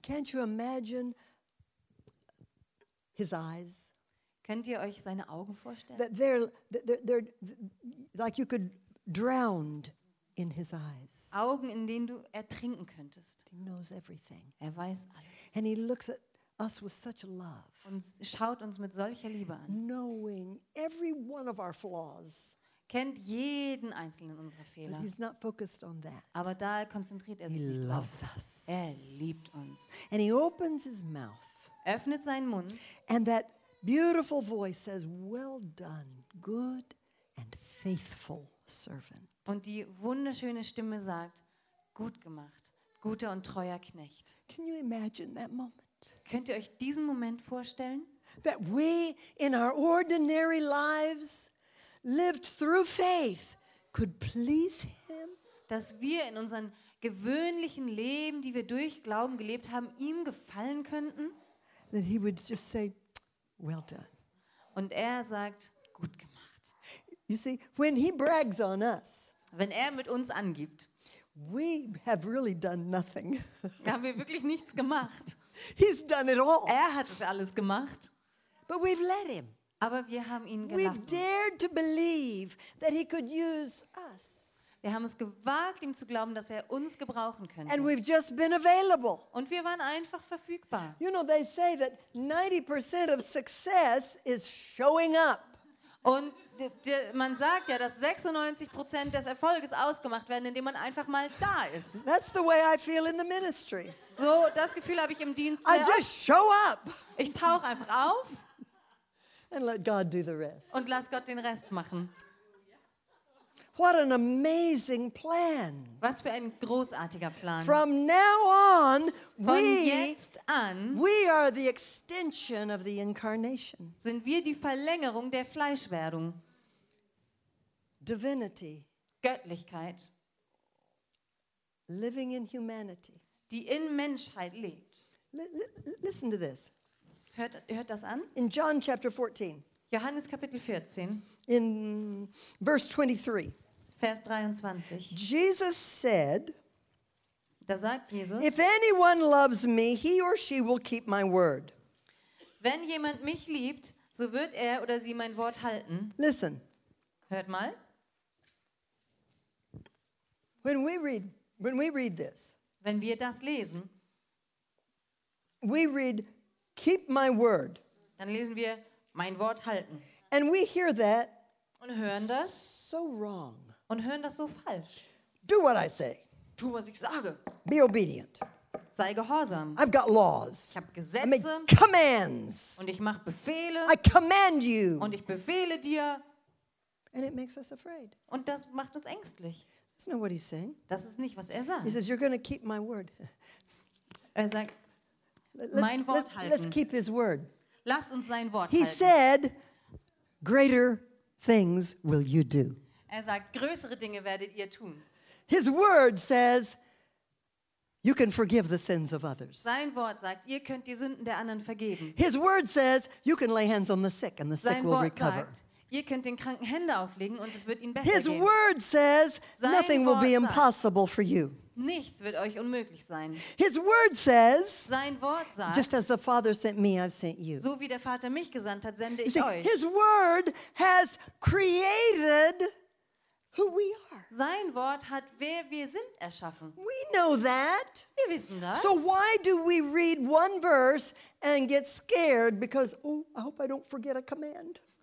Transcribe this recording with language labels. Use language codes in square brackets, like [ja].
[en] Can't you imagine his eyes? [de] Könnt ihr euch seine Augen vorstellen? [en] That they're like you could drown in his eyes. [de] Augen, in denen du ertrinken könntest. [en] He knows everything. [de] Er weiß alles. [en] And he looks at us with such love. [de] Und schaut uns mit solcher Liebe an. [en] Knowing every one of our flaws. [de] Kennt jeden einzelnen unserer Fehler. [en] But he's not focused on that. [de] Aber da konzentriert er sich [en] he [de] nicht [en] loves [de] drauf. [en] Us. [de] Er liebt uns. [en] And he opens his mouth. [de] Öffnet seinen Mund. [en] And that beautiful voice says, "Well done, good and faithful servant." [de] Und die wunderschöne Stimme sagt, "Gut gemacht, guter und treuer Knecht." [en] Can you imagine that moment? [de] Könnt ihr euch diesen Moment vorstellen? [en] That we in our ordinary lives lived through faith could please him, [de] dass wir in unseren gewöhnlichen Leben, die wir durch Glauben gelebt haben, ihm gefallen könnten, [en] that he would just say, "Well done." [de] Und er sagt, gut gemacht. [en] You see, when he brags on us, [de] wenn er mit uns angibt, [en] we have really done nothing. [de] Haben wir wirklich nichts gemacht. [en] He's done it all. [de] Er hat es alles gemacht. [en] But we've let him. [de] Aber wir haben ihn gelassen. [en] We've dared to believe that he could use us. [de] Wir haben es gewagt, ihm zu glauben, dass er uns gebrauchen könnte. [en] And we've just been available. [de] Und wir waren einfach verfügbar. [en] You know, they say that 90% of success is showing up. [de] Und man sagt ja, dass 96% des Erfolges ausgemacht werden, indem man einfach mal da ist. [en] That's the way I feel in the ministry. [de] So, das Gefühl habe ich im Dienst. [en] I just show up. [de] Ich tauche einfach auf. [en] And let God do the rest. [de] Und lass Gott den Rest machen. [en] What an amazing plan. [de] Was für ein großartiger Plan. [en] From now on, [de] Von jetzt an, [en] we are the extension of the incarnation. [de] Sind wir die Verlängerung der Fleischwerdung. [en] Divinity. [de] Göttlichkeit. [en] Living in humanity. [de] Die in Menschheit lebt. [en] Listen to this. [de] Hört das an? [en] In John chapter 14. [de] Johannes Kapitel 14. [en] In verse 23. [de] Vers 23. [en] Jesus said, [de] da sagt Jesus, [en] if anyone loves me, he or she will keep my word. [de] Wenn jemand mich liebt, so wird er oder sie mein Wort halten. [en] Listen. [de] Hört mal. [en] When we read this, [de] wenn wir das lesen, [en] we read, keep my word. [de] Dann lesen wir, mein Wort halten. [en] And we hear that [de] und hören das [en] so wrong. [de] Und hören das so falsch. [en] Do what I say. [de] Tu, was ich sage. [en] Be obedient. [de] Sei gehorsam. [en] I've got laws. [de] Ich habe Gesetze. [en] I make commands. [de] Und ich mache Befehle. [en] I command you. [de] Und ich befehle dir. [en] And it makes us afraid. [de] Und das macht uns ängstlich. [en] That's not what he's saying. [de] Das ist nicht, was er sagt. [en] He says, you're going to keep my word. [de] Er sagt, mein Wort halten. [en] Let's keep his word. [de] Lass uns sein Wort [en] he [de] halten. [en] He said, greater things will you do. [de] Er sagt, größere Dinge werdet ihr tun. [en] His word says, you can forgive the sins of others. [de] Sein Wort sagt, ihr könnt die Sünden der anderen vergeben. [en] His word says, you can lay hands on the sick and the sick will recover. [de] Sein Wort sagt, ihr könnt den Kranken Hände auflegen und es wird ihnen besser [en] His [de] gehen. [en] His word says, nothing will be impossible for you. [de] Nichts wird euch unmöglich sein. [en] His word says, [de] sein Wort sagt, [en] just as the Father sent me, I've sent you. [de] So wie der Vater mich gesandt hat, sende [en] you [de] ich [en] see, [de] euch. [en] His word has created who we are. [de] Sein Wort hat, wer wir sind, erschaffen. [en] We know that. [de] Wir wissen das. [en] So why do we read one verse and get scared because, oh, I hope I don't forget a command.